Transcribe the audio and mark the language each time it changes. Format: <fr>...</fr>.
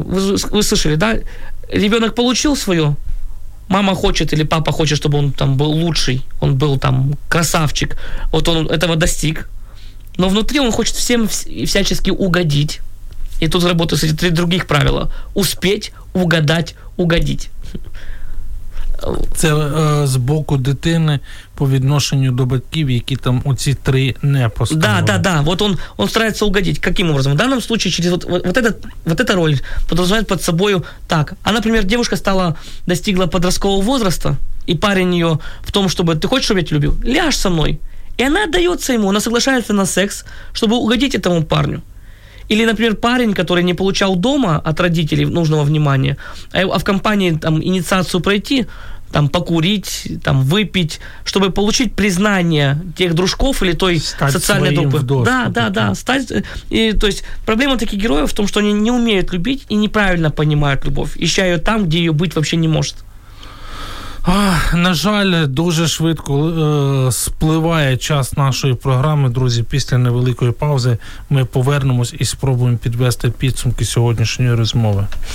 <ru>Вы слышали, да? Ребенок получил свое, мама хочет или папа хочет, чтобы он там был лучший, он был там красавчик, вот он этого достиг. Но внутри он хочет всем всячески угодить. И тут работают эти три других правила. Успеть, угадать, угодить.</ru> <uk>Це з боку дитини по відношенню до батьків, які там оці три не поставили.</uk> <ru>Да, да, да. Вот он старается угодить. Каким образом? В данном случае через вот эта роль подразумевает под собою так. А, например, девушка достигла подросткового возраста, и парень ее в том, чтобы «ты хочешь, чтобы я тебя любил? Ляжь со мной». И она отдается ему, она соглашается на секс, чтобы угодить этому парню. Или, например, парень, который не получал дома от родителей нужного внимания, а в компании там инициацию пройти, там покурить, там выпить, чтобы получить признание тех дружков или той стать социальной группы. Стать своим вдох. Да, да, да. То есть проблема таких героев в том, что они не умеют любить и неправильно понимают любовь, ища ее там, где ее быть вообще не может.</ru> <uk>На жаль, дуже швидко спливає час нашої програми. Друзі, після невеликої паузи ми повернемось і спробуємо підвести підсумки сьогоднішньої розмови.</uk>